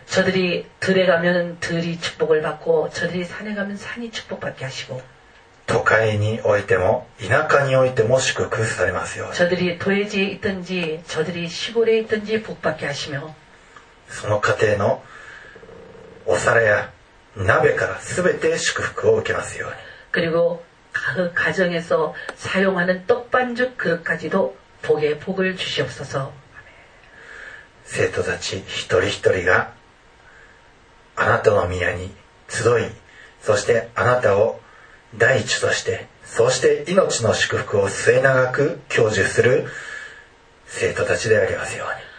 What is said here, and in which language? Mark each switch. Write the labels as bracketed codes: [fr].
[ko] 저들이들에가면들이축복을받고저들이산에가면산이축복받게하시고 [ja] 都会に置いても田舎に置いても祝福されますように [ko] 저들이도해지에있든지저들이시골에있든지복받게하시며 [ja] その家庭のお皿や鍋から全て祝福を受けますように [ko] 그리고그가정에서사용하는떡반죽그릇까지도복에복을주시옵소서 [ja] 生徒たち一人一人があなたの宮に集いそしてあなたを第一としてそして命の祝福を末永く享受する生徒たちでありますように